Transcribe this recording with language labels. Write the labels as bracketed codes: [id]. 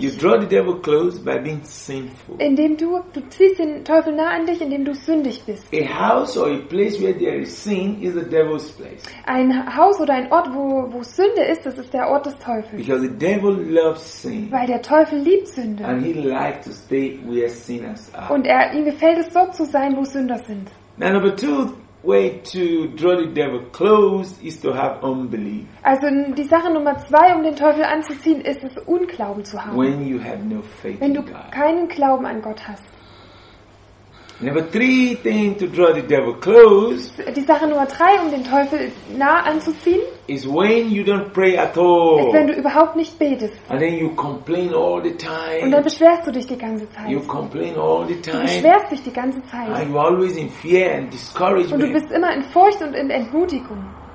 [en] You draw the devil close by being sinful. [de] Indem du ziehst den Teufel nah an dich, indem du sündig bist. [en] A house or a place where there is sin is the devil's place. [de] Ein Haus oder ein Ort, wo Sünde ist, das ist der Ort des Teufels. [en] Because the devil loves sin. [de] Weil der Teufel liebt Sünde. [en] And he likes to stay where sinners are. [de] Und ihm gefällt es, dort zu sein, wo Sünder sind. [en] Now number two. Way to draw the devil close is to have unbelief. [de] Also die Sache Nummer zwei, um den Teufel anzuziehen, ist es, Unglauben zu haben. [en] When you have no faith. [de] Wenn du keinen Glauben an Gott hast. [en] Number three thing to draw the devil close. [de] Die Sache Nummer drei, um den Teufel nah anzuziehen, [en] is when you don't pray at all. [de] Ist, wenn du überhaupt nicht betest. [en] And then you complain all the time. [de] Und dann beschwerst du dich die ganze Zeit. [en] You complain all the time. [de] Du beschwerst dich die ganze Zeit. [en] And you're always in fear and discouragement. [de] Und du bist immer in Furcht und in Entmutigung.